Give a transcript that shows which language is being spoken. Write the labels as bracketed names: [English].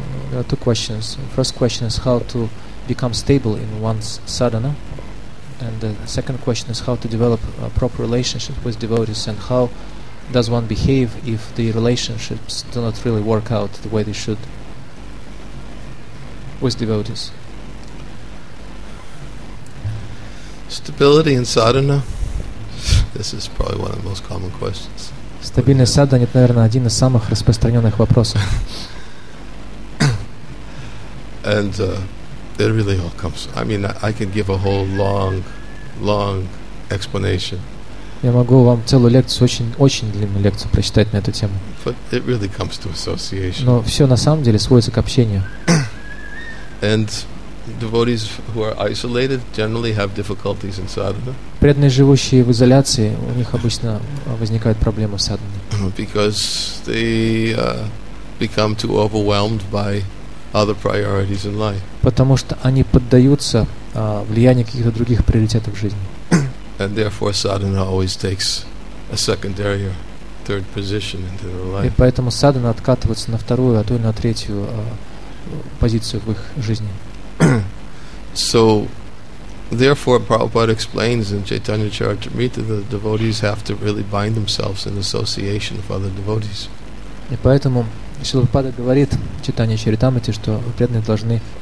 [English] There are two questions. First question is how to become stable in one's sadhana, and the second question is how to develop a proper relationship with devotees and how does one behave if the relationships do not really work out the way they should with devotees? Stability in sadhana. This is probably one of the most common questions. [Russian] Стабильность садхана — это, наверное, один из самых распространенных вопросов. [English] And it really all comes. I mean, I can give a whole long explanation. [Russian] Я могу вам целую лекцию, очень длинную лекцию прочитать на эту тему. [English] But it really comes to association. [Russian] Но все на самом деле сводится к общению. [English] And devotees who are isolated generally have difficulties in sadhana. [Russian] Преданные, живущие в изоляции, у них обычно возникают проблемы с садханой. [English] Because they become too overwhelmed by other priorities in life. [Russian] Потому что они поддаются влиянию каких-то других приоритетов в жизни. [English] And therefore, sadhana always takes a secondary or third position into their life. [Russian] И поэтому садхана откатывается на вторую, а то и на третью позицию в их жизни. [English] So, therefore, Prabhupada explains in Chaitanya Charitamrita that the devotees have to really bind themselves in association with other devotees. [Russian] И поэтому Шрила Прабхупада говорит в Чайтанья Чаритамрите, что преданные должны